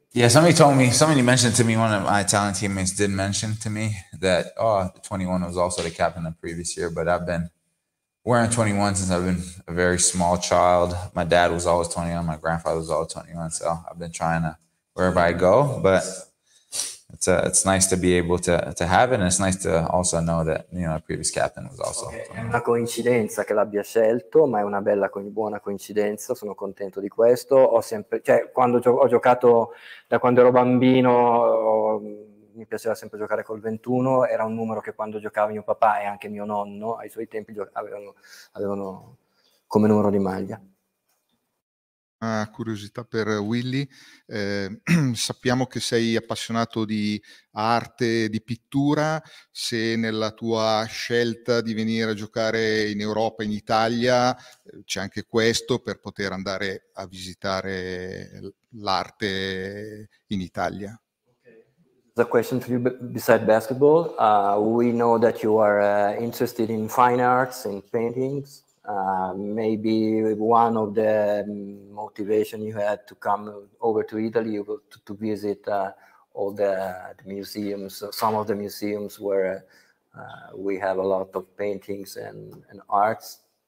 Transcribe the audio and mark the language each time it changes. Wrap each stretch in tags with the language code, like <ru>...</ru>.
<en>Yeah, somebody mentioned to me, one of my Italian teammates did mention to me that, 21 was also the captain the previous year, but I've been wearing 21 since I've been a very small child. My dad was always 21, my grandfather was always 21, so I've been trying to wherever I go, but it's nice to be able to have it, and it's nice to also know that, you know, the previous captain was also. Okay.</en> <it>È una coincidenza che l'abbia scelto, ma è una bella buona coincidenza, sono contento di questo. Ho sempre, cioè, quando ho giocato, da quando ero bambino, mi piaceva sempre giocare col 21, era un numero che quando giocava mio papà e anche mio nonno, ai suoi tempi, avevano come numero di maglia. Una curiosità per Willy, sappiamo che sei appassionato di arte, di pittura, se nella tua scelta di venire a giocare in Europa, in Italia, c'è anche questo per poter andare a visitare l'arte in Italia.</it> <en>The question to you beside basketball, we know that you are interested in fine arts, in paintings. Maybe one of the motivation you had to come over to Italy to visit all the museums, some of the museums where we have a lot of paintings and arts.</en>